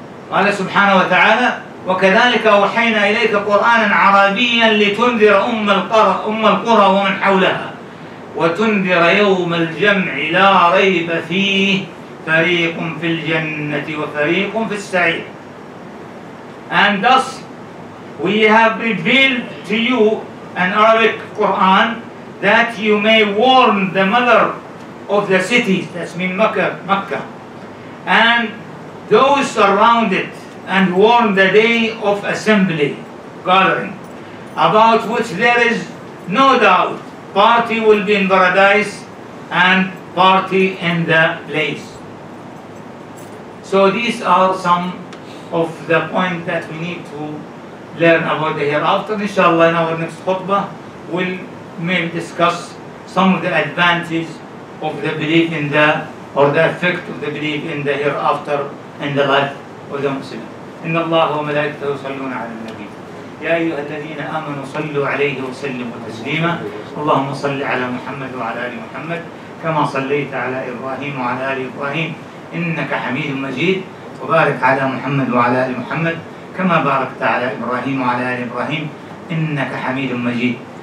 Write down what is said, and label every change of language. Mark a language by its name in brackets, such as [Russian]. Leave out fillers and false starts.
[Arabic] Allah subhanahu wa ta'ala, وكذلك أوحينا إليك قرآنا عربيا لتنذر أم القرى ومن حولها وتنذر يوم الجمع لا ريب فيه فريق في الجنة وفريق في السعير. [English] And thus we have revealed to you an Arabic Quran that you may warn the mother of the cities, that's mean Mecca, and those around it, and warn the day of assembly, gathering, about which there is no doubt, party will be in paradise and party in the place. So these are some of the points that we need to learn about the hereafter. Inshallah, in our next khutbah, we'll maybe discuss some of the advantages of the belief in the, or the effect of the belief in the hereafter in the life of the Muslim. [Arabic] إن الله وملائكته يصلون على النبي يا أيها الذين آمنوا صلوا عليه وسلموا تسليما. اللهم صل على محمد وعلى آل محمد كما صليت على إبراهيم وعلى آل إبراهيم إنك حميد مجيد. وبارك على محمد وعلى آل محمد كما باركت على إبراهيم وعلى آل إبراهيم إنك حميد مجيد.